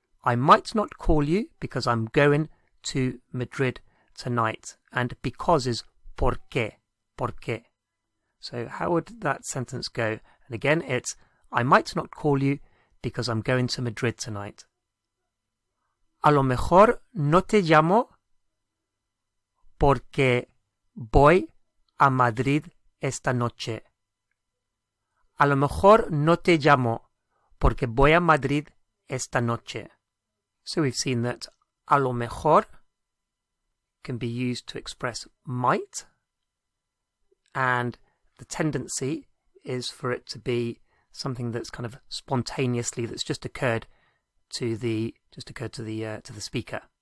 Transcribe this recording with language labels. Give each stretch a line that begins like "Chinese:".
English: I might not call you because I'm going to Madrid tonight. And because is porque. So how would that sentence go? And again, it's I might not call you because I'm going to Madrid tonight.
Spanish: A lo mejor no te llamo porque voy a Madrid esta noche. A lo mejor no te llamo Porque voy a Madrid esta noche.
English: So we've seen that a lo mejor can be used to express might, and the tendency is for it to be something that's kind of spontaneously, that's just occurred to the to the speaker.